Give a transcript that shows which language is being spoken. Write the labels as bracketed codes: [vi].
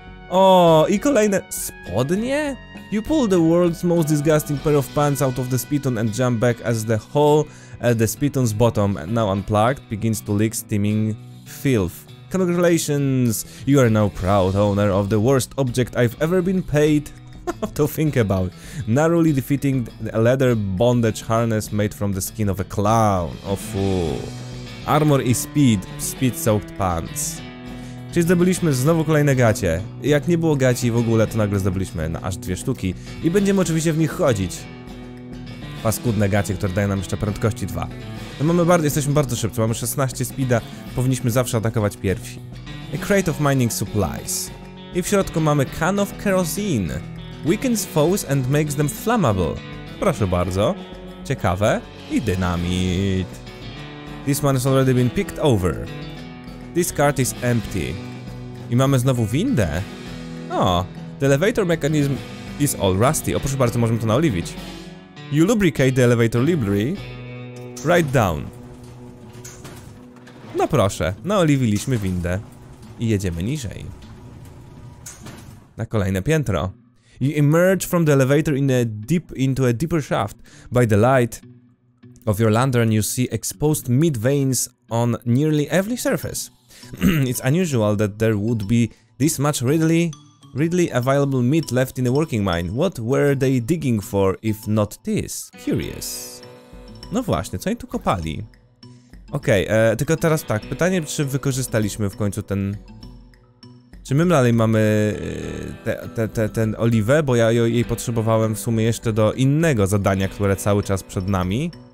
[pl] O, i kolejne spodnie? [en] You pull the world's most disgusting pair of pants out of the spittoon and jump back as the hole at the spittoon's bottom, now unplugged, begins to leak steaming filth. Congratulations! You are now proud owner of the worst object I've ever been paid to think about, narrowly defeating a leather bondage harness made from the skin of a clown. Oh fool. Armor i speed soaked pants. [pl] Czyli zdobyliśmy znowu kolejne gacie. Jak nie było gaci w ogóle, to nagle zdobyliśmy na aż 2 sztuki i będziemy oczywiście w nich chodzić. Paskudne gacie, które dają nam jeszcze prędkości 2. No mamy bardzo, jesteśmy bardzo szybcy, mamy 16 speeda, powinniśmy zawsze atakować pierwsi. [en] A crate of mining supplies. [pl] I w środku mamy [en] can of kerosene. Weakens foes and makes them flammable. [pl] Proszę bardzo. Ciekawe. I dynamit. [en] This one has already been picked over. This cart is empty. [pl] I mamy znowu windę. [en] O, the elevator mechanism is all rusty. [pl] O, proszę bardzo, możemy to naoliwić. [en] You lubricate the elevator library. Write down. [pl] No proszę, naoliwiliśmy windę. I jedziemy niżej. Na kolejne piętro. [en] You emerge from the elevator into a deeper shaft. By the light of your lantern you see exposed meat veins on nearly every surface. It's unusual that there would be this much readily available meat left in a working mine. What were they digging for if not this? Curious. [pl] No właśnie, co oni tu kopali? Okej, okay, tylko teraz tak, pytanie, czy wykorzystaliśmy w końcu ten... Czy my dalej mamy ten oliwę, bo ja jej potrzebowałem w sumie jeszcze do innego zadania, które cały czas przed nami.